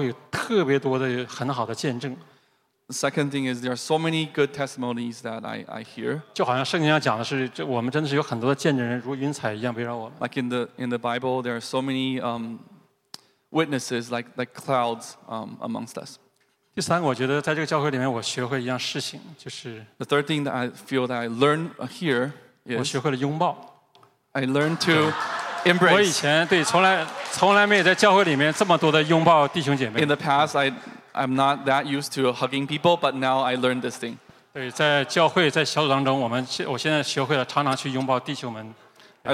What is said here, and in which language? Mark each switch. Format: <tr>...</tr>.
<zh>还有就是我觉得这个教会有特别多的很好的见证。</zh> <en>The second thing is there are so many good testimonies that I hear.</en> <zh>就好像圣经上讲的是，我们真的是有很多的见证人如云彩一样围绕我们。</zh> <en>Like in the Bible, there are so many witnesses like clouds amongst us.</en> <zh>第三，我觉得在这个教会里面，我学会一样事情，就是</zh> <en>The third thing that I feel that I learn here is</en> <zh>我学会了拥抱。</zh> <en>I learned to embrace.</en> <zh>我以前从来没有在教会里面这么多的拥抱弟兄姐妹。</zh> <en>In the past, I'm not that used to hugging people, but now I learned this thing.</en> <zh>对，在教会，在小组当中，我现在学会了常常去拥抱弟兄们。</zh> <en>I</en>